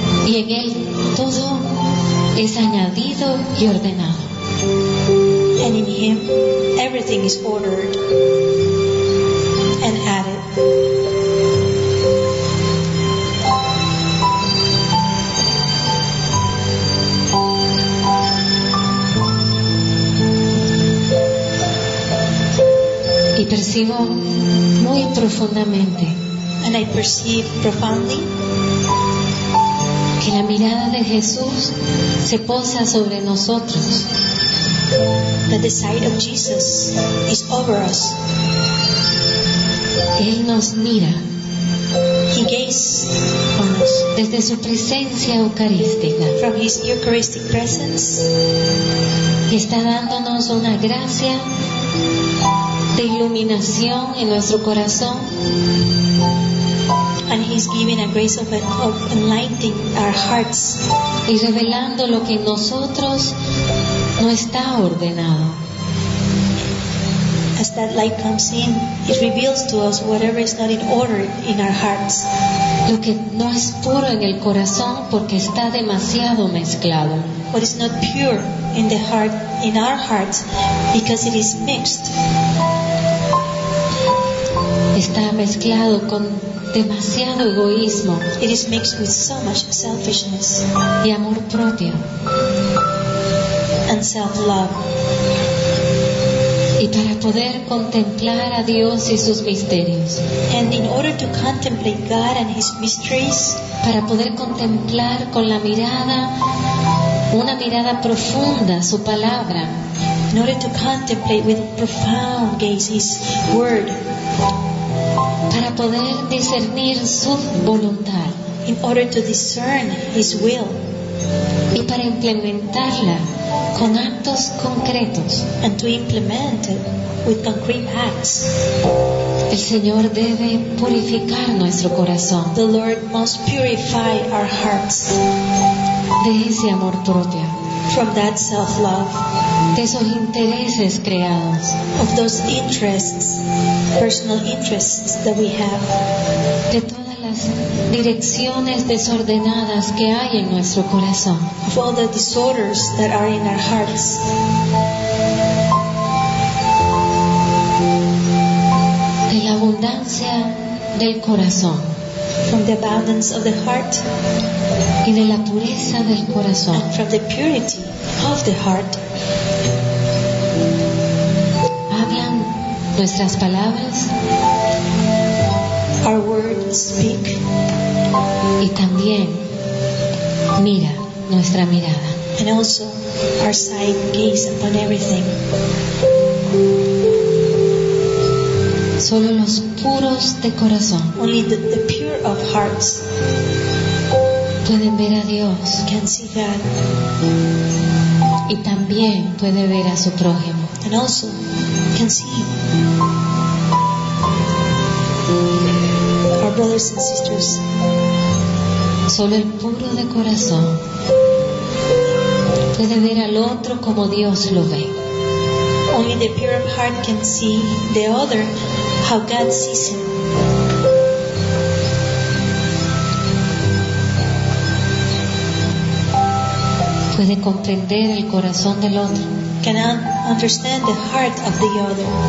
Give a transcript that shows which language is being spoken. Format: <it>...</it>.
<es>Y en Él todo es añadido y ordenado.</es> <en>And in Him, everything is ordered and added.</en> <es>Y percibo muy profundamente,</es> <en>and I perceive profoundly,</en> <es>que la mirada de Jesús se posa sobre nosotros.</es> <en>That the sight of Jesus is over us.</en> <es>Él nos mira.</es> <en>He gazes on us.</en> <es>Desde su presencia eucarística.</es> <en>From his eucharistic presence.</en> <es>Y está dándonos una gracia de iluminación en nuestro corazón.</es> <en>And he's giving a grace of enlightening our hearts.</en> <es>Y revelando lo que en nosotros no está ordenado.</es> <en>As that light comes in, it reveals to us whatever is not in order in our hearts.</en> <es>Lo que no es puro en el corazón porque está demasiado mezclado.</es> <en>What is not pure in the heart, in our hearts, because it is mixed.</en> <es>Está mezclado con demasiado egoísmo.</es> <en>It is mixed with so much selfishness.</en> <es>Y amor propio.</es> <en>self-love.</en> <es>Y para poder contemplar a Dios y sus misterios.</es> <en>And in order to contemplate God and His mysteries,</en> <es>para poder contemplar con la mirada, una mirada profunda, su palabra.</es> <en>In order to contemplate with profound gaze His word.</en> <es>Para poder discernir su voluntad.</es> <en>In order to discern His will.</en> <es>Y para implementarla con actos concretos.</es> <en>And to implement it with concrete acts.</en> <es>El Señor debe purificar nuestro corazón.</es> <en>The Lord must purify our hearts.</en> <es>De ese amor propio.</es> <en>From that self-love.</en> <es>De esos intereses creados.</es> <en>Of those interests, personal interests that we have.</en> <es>De todas las direcciones desordenadas que hay en nuestro corazón.</es> <en>Of all the disorders that are in our hearts.</en> <es>De la abundancia del corazón.</es> <en>From the abundance of the heart.</en> <es>Y de la pureza del corazón.</es> <en>And from the purity of the heart.</en> <es>Hablan nuestras palabras.</es> <en>Our words speak.</en> <es>Y también mira nuestra mirada.</es> <en>And also our sight gaze upon everything.</en> <es>Solo los puros de corazón.</es> <en>Only the pure of hearts.</en> <es>Pueden ver a Dios.</es> <en>Can see God.</en> <es>Y también puede ver a su prójimo.</es> <en>And also can see our brothers and sisters.</en> <es>Solo el puro de corazón puede ver al otro como Dios lo ve.</es> <en>Only the pure of heart can see the other how God sees him.</en> <es>Puede comprender el corazón del otro.</es> <en>Can understand the heart of the other.</en>